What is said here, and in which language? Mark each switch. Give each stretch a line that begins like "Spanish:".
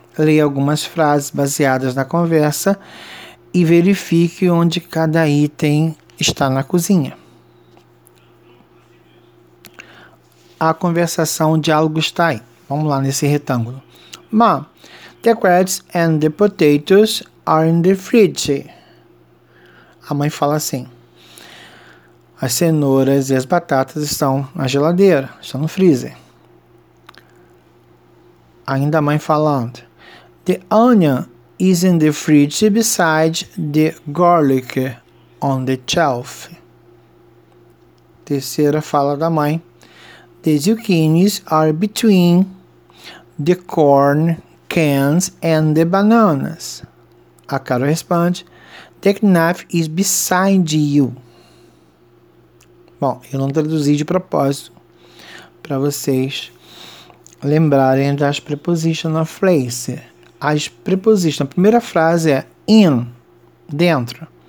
Portuguese: Leia algumas frases baseadas na conversa e verifique onde cada item está na cozinha. A conversação, o diálogo está aí. Vamos lá nesse retângulo.
English: Mom, the carrots and the potatoes are in the fridge.
Portuguese: A mãe fala assim. As cenouras e as batatas estão na geladeira, estão no freezer. Ainda a mãe falando.
English: The onion is in the fridge beside the garlic on the shelf.
Portuguese: Terceira fala da mãe.
English: The zucchinis are between the corn cans and the bananas.
Portuguese: A Carol responde,
English: the knife is beside you.
Portuguese: Bom, eu não traduzi de propósito para vocês lembrarem das preposition of place. As preposition, a primeira frase é in, dentro.